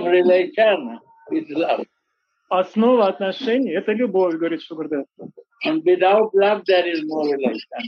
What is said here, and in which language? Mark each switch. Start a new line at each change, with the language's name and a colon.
English: Base of relation is love.
Russian: Основа отношений — это любовь, говорит Шугурдев.
English: And without love, there is no relation.